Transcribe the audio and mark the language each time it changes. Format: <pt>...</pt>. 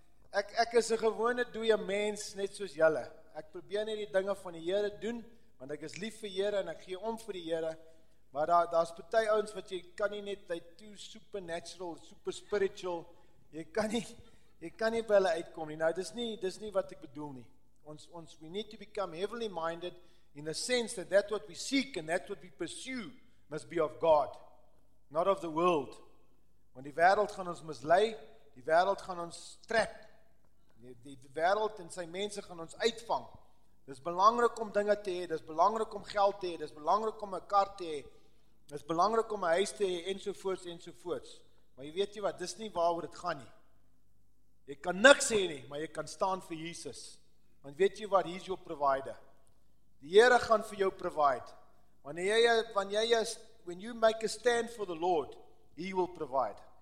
<af>Ek is 'n gewone dooie mens net soos julle. Ek probeer net die dinge van die Here doen, want ek is lief vir die Here en ek gee om vir die Here. Maar daar's baie ouens wat jy kan nie net hy</af> <en>too supernatural, super spiritual.</en> <af>Jy kan nie by hulle uitkom nie. Nou dis nie wat ek bedoel nie.</af> <en>Ons we need to become heavenly minded in the sense that what we seek and that what we pursue must be of God, not of the world.</en> <af>Want die wêreld gaan ons mislei, die wêreld gaan ons trap. Die wêreld en sy mense gaan ons uitvang. Dis belangrik om dinge te hê, dis belangrik om geld te hê, dis belangrik om 'n kar te hê, dis belangrik om 'n huis te hê ensovoorts ensovoorts. Maar jy weet jy wat, dis nie waaroor dit gaan nie. Jy kan niks hê nie, maar jy kan staan vir Jesus. Want weet jy wat,</af> <en>he's your provider.</en> <af>Die Here gaan vir jou provide.</af> <en>When you make a stand for the Lord, he will provide.</en>